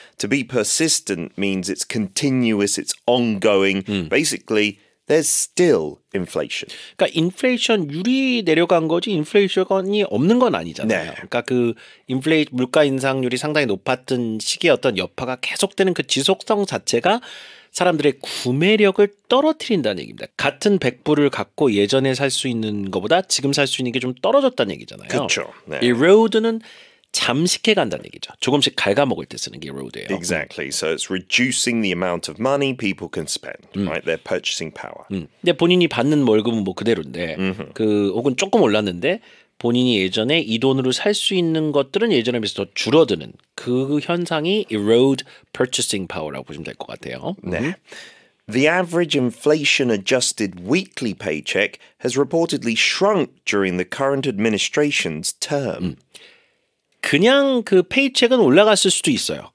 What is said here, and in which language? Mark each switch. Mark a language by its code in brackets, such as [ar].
[en] To be persistent means it's continuous, it's ongoing. Basically, there's still inflation. [ko] 그러니까 인플레이션율이 내려간 거지 인플레이션이 없는 건 아니잖아요. 네. 그러니까 그 인플레이션 물가 인상률이 상당히 높았던 시기의 어떤 여파가 계속되는 그 지속성 자체가 사람들의 구매력을 떨어뜨린다는 얘기입니다. 같은 100불을 갖고 예전에 살 수 있는 것보다 지금 살 수 있는 게 좀 떨어졌다는 얘기잖아요. 그렇죠. 네. Erode는 잠식해 간다는 얘기죠. 조금씩 갉아먹을 때 쓰는 게 erode예요. [en] Exactly. So it's reducing the amount of money people can spend, right? Their purchasing power. [ko] 근데 본인이 받는 월급은 뭐 그대로인데, 그 혹은 조금 올랐는데 본인이 예전에 이 돈으로 살 수 있는 것들은 예전에 비해서 더 줄어드는 그 현상이 [en] erode purchasing power [ko] 라고 보시면 될 것 같아요. 네. [en] The average inflation-adjusted weekly paycheck has reportedly shrunk during the current administration's term. [ko] 그냥 그 페이첵은 올라갔을 수도 있어요.